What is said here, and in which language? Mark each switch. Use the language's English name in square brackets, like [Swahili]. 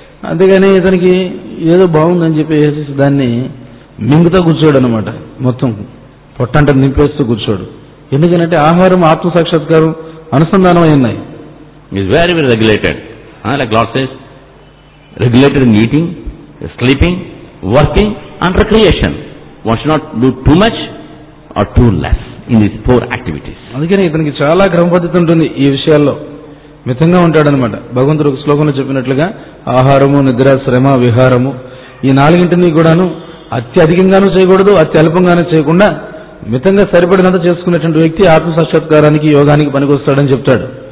[Telugu] అంతేగాని ఇతనికి ఏదో బాగుందని చెప్పేసి దాన్ని మింగుతో కూర్చోడు అనమాట. మొత్తం పొట్టంట నింపేస్తూ కూర్చోడు. ఎందుకంటే ఆహారం ఆత్మ సాక్షాత్కారం అనుసంధానం అయి ఉన్నాయి. [English] Is very very regulated like lord says regulated in eating, sleeping, working and recreation. One should not do too much or too less in these four activities. [Telugu] అందుకనే ఇతనికి చాలా క్రమపద్ధతి ఉంటుంది ఈ విషయాల్లో. మితంగా ఉంటాడనమాట. భగవంతుడు ఒక శ్లోకంలో చెప్పినట్లుగా ఆహారము నిద్ర శ్రమ విహారము ఈ నాలుగింటిని కూడాను అత్యధికంగాను చేయకూడదు అత్యల్పంగాను చేయకుండా మితంగా సరిపడినంత చేసుకున్నటువంటి వ్యక్తి ఆత్మ సాక్షాత్కారానికి యోగానికి పనికొస్తాడని చెప్తాడు.